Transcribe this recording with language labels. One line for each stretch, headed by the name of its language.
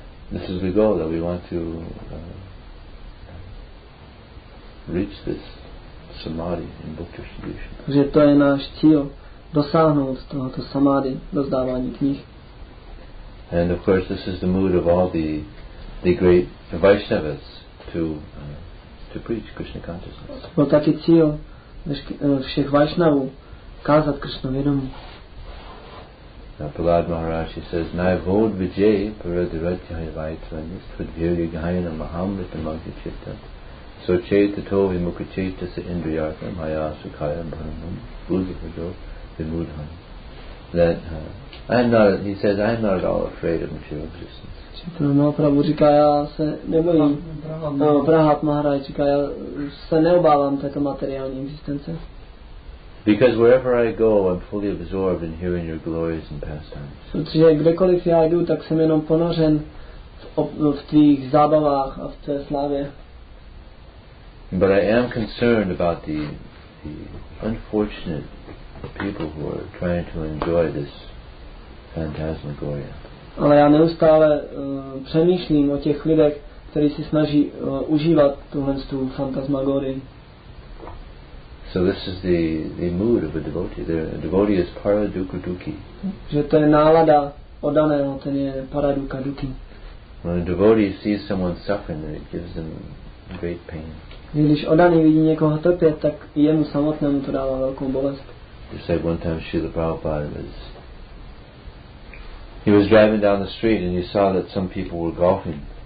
English: This is the goal that we want to reach this samadhi in book distribution.
Czech: Že to je náš cíl dosáhnout tohoto samadhi rozdávání knih.
English: And of course this is the mood of all the great Vaishnavas to preach Krishna consciousness.
Czech: To bylo taky cíl všech Vaishnavů kázat Krishna vědomí.
English: Prahlad Maharaj says
Sanskrit: naivod vijay paradiratyaya vaitranis tvadhirya gayana mahamrita magya chitta. So chaita tovi mukha chaita sa indriyatam hayasukhaya bhanam bhuzi hajo vimudhan.
English: that he says, I am not at all afraid of material existence.
Czech: Čitelná Mahaprabhu říká, já se nebojím. No, Prahat Maharaj říká, já se neobávám této materiální existence.
English: Because wherever I go, I'm fully absorbed in hearing your glories and pastimes.
Czech: Protože kdekoliv já jdu, tak jsem jenom ponořen v tvých zábavách a v té slavě.
English: But I am concerned about the unfortunate people who are trying to enjoy this phantasmagoria.
Czech: Ale já neustále přemýšlím o těch lidech, kteří si snaží užívat tuhle tu fantasmagorii.
English: So this is the mood of a devotee. The devotee is paraduka duki.
Czech: Že to je nálada oddaného, ten je paraduka duki.
English: When a devotee sees someone suffering, it gives them great pain.
Czech: Když oddaný vidí někoho trpět, tak jemu samotnému to dává velkou bolest.
English: Just like one time Srila Prabhupada was. He was driving down the street and he saw that some people were golfing.